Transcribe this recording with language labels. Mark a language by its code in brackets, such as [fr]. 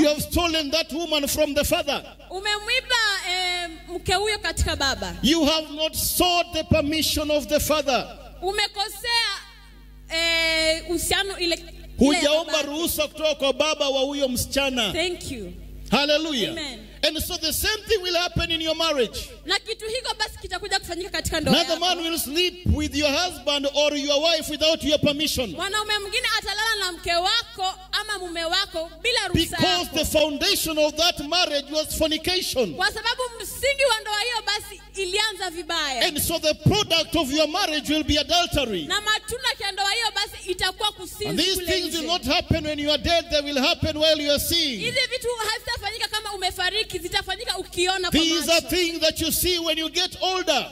[en] You have stolen that woman from the father. [sw] Umemwiba mke huyo katika baba. [en] You have not sought the permission of the father. [sw] Umekosea uhusiano ile. Hujaomba ruhusa kutoka kwa baba wa huyo msichana. [en] Thank you. Hallelujah. Amen. And so the same thing will happen in your marriage. [sw] Na kitu hiko basi kitakuja kufanyika katika ndoa. [en] Another man will sleep with your husband or your wife without your permission. [sw] Mwanaume mwingine atalala na mke wako ama mume wako bila ruhusa. [en] Because the foundation of that marriage was fornication. [sw] Kwa sababu msingi wa ndoa hiyo basi ilianza vibaya. [en] And so the product of your marriage will be adultery. [sw] Na matunda ya ndoa hiyo basi itakuwa kusinzi. [en] And these things will not happen when you are dead, they will happen while you are seeing. [sw] Hizi vitu hazitafanyika kama umefariki, zitafanyika ukiona. [en] These are things that you see when you get older.